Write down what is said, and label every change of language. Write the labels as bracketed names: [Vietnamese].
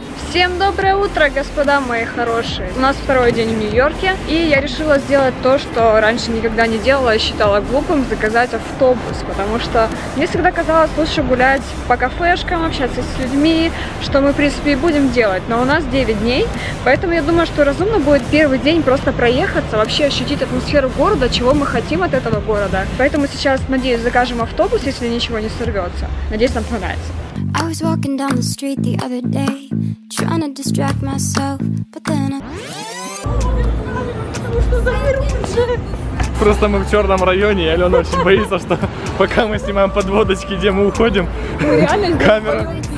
[Russian] Всем доброе утро, господа мои хорошие. У нас второй день в Нью-Йорке, и я решила сделать то, что раньше никогда не делала, я считала глупым, заказать автобус, потому что мне всегда казалось лучше гулять по кафешкам, общаться с людьми, что мы, в принципе, и будем делать. Но у нас 9 дней, поэтому я думаю, что разумно будет первый день просто проехаться, вообще ощутить атмосферу города, чего мы хотим от этого города. Поэтому сейчас, надеюсь, закажем автобус, если ничего не сорвется. Надеюсь, нам понравится. [English] I was walking down the street the other day, trying to distract myself, but then I... [Russian] Просто мы в черном районе, и Алена очень боится, что пока мы снимаем подводочки, где мы уходим, камера...